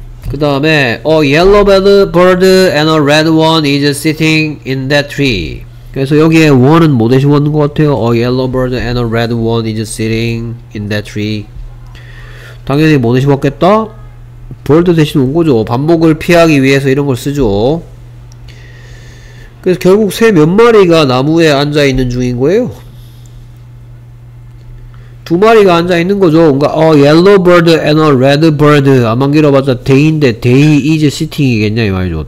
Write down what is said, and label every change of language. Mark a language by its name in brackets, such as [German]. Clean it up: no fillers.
[Korean] 그 다음에 [English] A yellow bird and a red one is sitting in that tree. [Korean] 그래서 여기에 one은 뭐 대신 원인 것 같아요? [English] A yellow bird and a red one is sitting in that tree. [Korean] 당연히 뭐 대신 왔겠다? bird 대신 온 거죠. 반복을 피하기 위해서 이런 걸 쓰죠. 그래서 결국 새 몇 마리가 나무에 앉아 있는 중인 거예요? 두 마리가 앉아 있는 거죠. 뭔가 [English] a yellow bird and a red bird. [Korean] 아마 길어봤자 day인데 [English] day is sitting [Korean] 이겠냐 이 말이죠.